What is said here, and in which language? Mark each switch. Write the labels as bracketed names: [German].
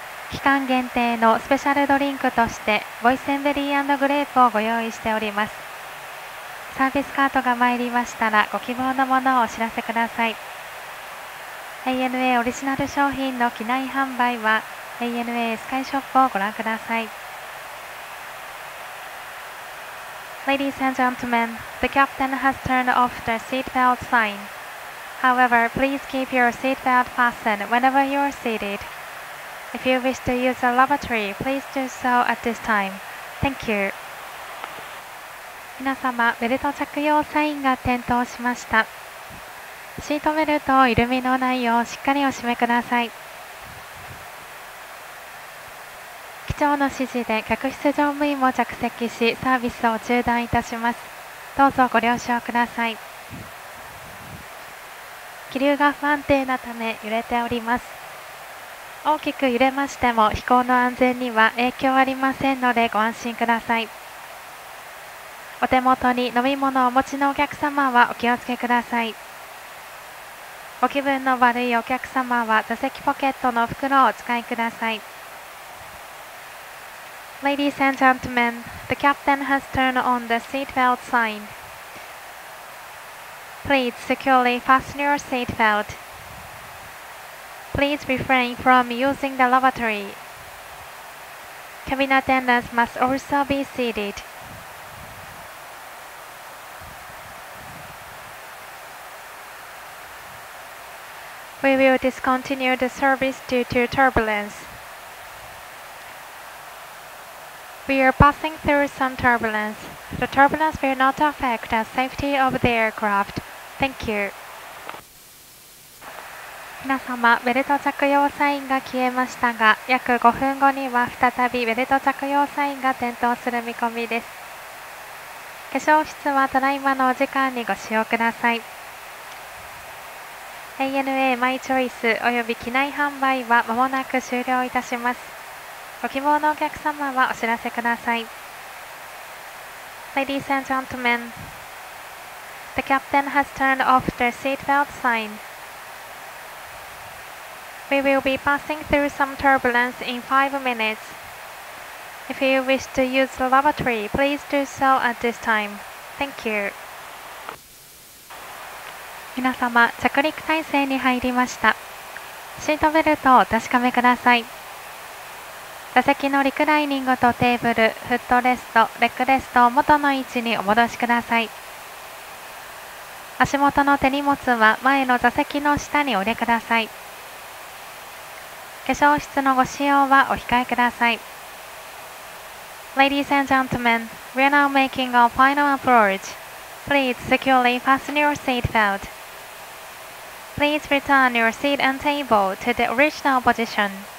[Japanese] 期間限定のスペシャルドリンクとしてボイセンベリー&グレープをご用意しております。サービスカートが参りましたらご希望のものをお知らせください。 ANA オリジナル商品の機内販売は ANA スカイショップをご覧ください。 [English] Ladies and gentlemen, the captain has turned off the seatbelt sign. However, please keep your seatbelt fastened whenever you are seated. If you wish to use a lavatory, please do so at this time. Thank you. [Japanese] 皆様、ベルト着用サインが点灯しました。シートベルトを緩めの内容をしっかりお締めください。機長の指示で客室乗務員も着席しサービスを中断いたします。どうぞご了承ください。気流が不安定なため揺れております。大きく揺れましても飛行の安全には影響ありませんのでご安心ください。お手元に飲み物をお持ちのお客様はお気をつけください。ご気分の悪いお客様は座席ポケットの袋をお使いください。 [English] Ladies and gentlemen, the captain has turned on the seatbelt sign. Please securely fasten your seatbelt. Please refrain from using the lavatory. Cabin attendants must also be seated. We will discontinue the service due to turbulence. We are passing through some turbulence. The turbulence will not affect the safety of the aircraft. Thank you. [Japanese] 皆様、ベルト着用サインが消えましたが、約5分後には再びベルト着用サインが点灯する見込みです。化粧室はただいまのお時間にご使用ください。 ANA マイチョイスおよび機内販売は間もなく終了いたします。ご希望のお客様はお知らせください。 [English] Ladies and gentlemen, the captain has turned off the seatbelt sign. We will be passing through some turbulence in 5 minutes. If you wish to use the lavatory, please do so at this time. Thank you. [Japanese] 皆様、着陸態勢に入りました。シートベルトをお確かめください。座席のリクライニングとテーブル、フットレスト、レッグレストを元の位置にお戻しください。足元の手荷物は前の座席の下にお入れください。化粧室のご使用はお控えください。 [English] Ladies and gentlemen, we are now making our final approach. Please securely fasten your seatbeltPlease return your seat and table to the original position.